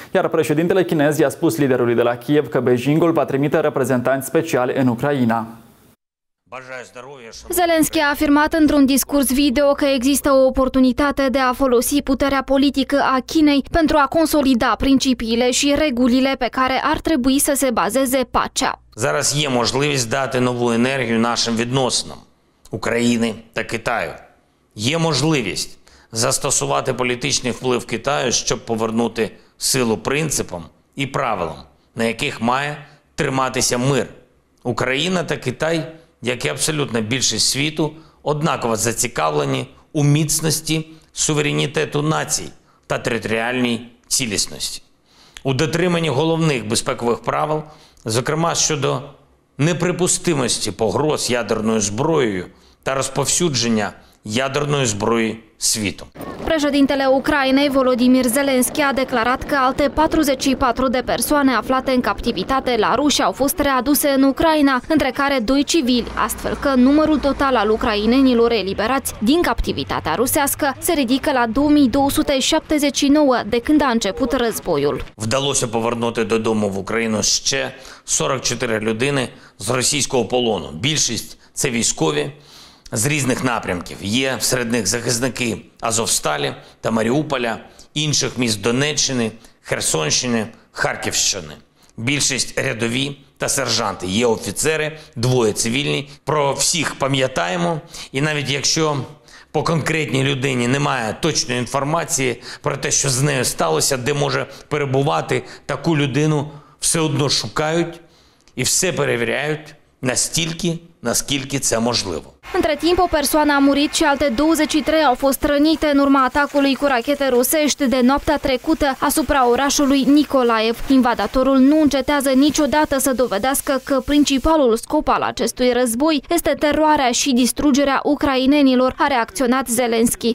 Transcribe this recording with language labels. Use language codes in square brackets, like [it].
[ro] Iar președintele chinez i-a spus liderului de la Kiev că Beijingul va trimite reprezentanți speciali în Ucraina. Zelensky a afirmat într-un discurs video că există o oportunitate de a folosi puterea politică a Chinei pentru a consolida principiile și regulile pe care ar trebui să se bazeze pacea. [uk] Зараз є можливість дати нову енергію нашим відносинам України та Китаю. Є можливість застосувати політичний вплив Китаю, щоб повернути силу принципам і правилам, на яких має триматися мир. Україна та Китай – як і абсолютна більшість світу, однаково зацікавлені у міцності суверенітету націй та територіальній цілісності. У дотриманні головних безпекових правил, зокрема щодо неприпустимості погроз ядерною зброєю та розповсюдження ядерної зброї світу. [ro] Președintele Ucrainei, Volodymyr Zelensky, a declarat că alte 44 de persoane aflate în captivitate la ruși au fost readuse în Ucraina, între care 2 civili, astfel că numărul total al ucrainenilor eliberați din captivitatea rusească se ridică la 2279 de când a început războiul. [uk] Вдалося повернути додому в Україну ще 44 людини з російського полону. Більшість – це військові. З різних напрямків є серед них захисники Азовсталі та Маріуполя, інших міст Донеччини, Херсонщини, Харківщини. Більшість рядові та сержанти, є офіцери, двоє цивільні. Про всіх пам'ятаємо, і навіть якщо по конкретній людині немає точної інформації про те, що з нею сталося, де може перебувати таку людину, все одно шукають і все перевіряють настільки, наскільки це можливо. [ro] Între timp, o persoană a murit și alte 23 au fost rănite în urma atacului cu rachete rusești de noaptea trecută asupra orașului Nicolaev. Invadatorul nu încetează niciodată să dovedească că principalul scop al acestui război este teroarea și distrugerea ucrainenilor, a reacționat Zelensky.